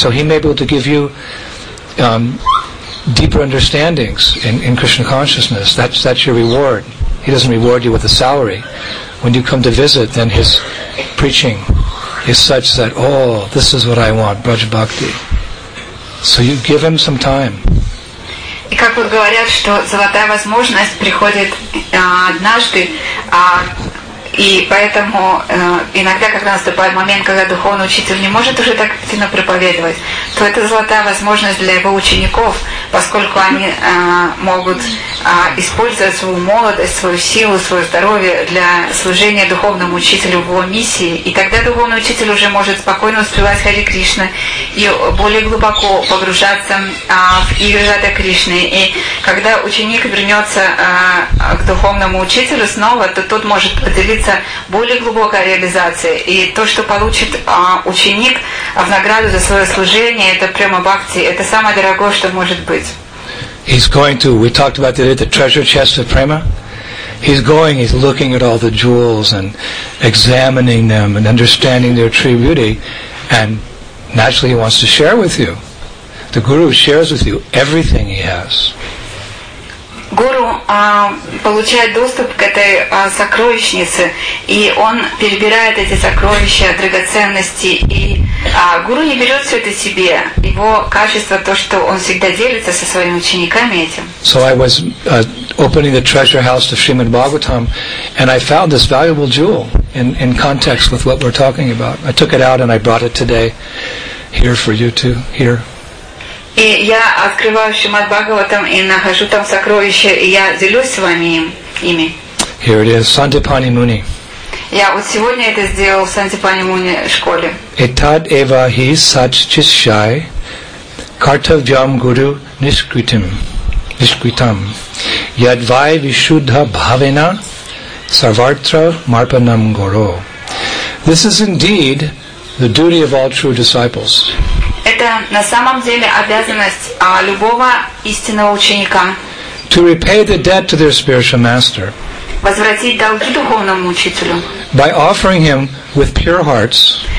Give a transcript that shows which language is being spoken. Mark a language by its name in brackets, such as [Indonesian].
[English] So he may be able to give you deeper understandings in Krishna consciousness. That's your reward. He doesn't reward you with a salary. When you come to visit, then his preaching is such that, oh, this is what I want, Braj Bhakti. So you give him some time. [Russian] И как вот говорят, что золотая возможность приходит однажды, и поэтому иногда, когда наступает момент, когда духовный учитель не может уже так сильно проповедовать, то это золотая возможность для его учеников, поскольку они могут использовать свою молодость, свою силу, свое здоровье для служения духовному учителю в его миссии. И тогда духовный учитель уже может спокойно успевать Хари Кришна и более глубоко погружаться в игры Рада Кришны. И когда ученик вернется к духовному учителю снова, то тот может поделиться более глубокая реализация, и то, что получит ученик в награду за свое служение, это према бхакти, это самое дорогое, что может быть. [English] He's going to, we talked about today, the treasure chest of prema. He's going, he's looking at all the jewels and examining them and understanding their true beauty, and naturally he wants to share with you. The guru shares with you everything he has. [Russian] Гуру получает доступ к этой сокровищнице, и он перебирает эти сокровища, драгоценности, и гуру не берет все это себе. Его качество то, что он всегда делится со своими учениками этим. [English] So I was opening the treasure house of Srimad Bhagavatam, and I found this valuable jewel in context with what we're talking about. I took it out and I brought it today here for you to hear. [Russian] И я открываю Шримад Бхагаватам и нахожу там сокровище, и я делюсь с вами ими. [English] Here it is, Сандипани Муни. [Russian] Я вот сегодня это сделал в Сандипани Муни школе. [Sanskrit] Итад эва хи сач чишай картавьям гуру нишкритам нишкритам ядвай вишудха бхавена сарвартра марпанам гуру. [English] This is indeed the duty of all true disciples. [Russian] Это на самом деле обязанность любого истинного ученика. [English] To repay the debt to their spiritual master. [Russian] Возвратить долги духовному учителю. [English] By offering him with pure hearts.